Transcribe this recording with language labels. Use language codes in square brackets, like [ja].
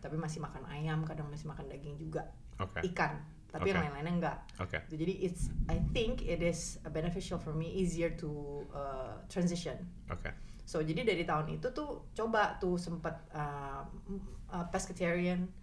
[id] Tapi masih makan ayam, kadang masih makan daging juga. [en] Okay. [id] Ikan. Tapi yang lain-lainnya enggak. [en] Okay. Jadi I think it is beneficial for me, easier to transition. Okay. [id] So jadi dari tahun itu tuh coba tuh sempat pescatarian.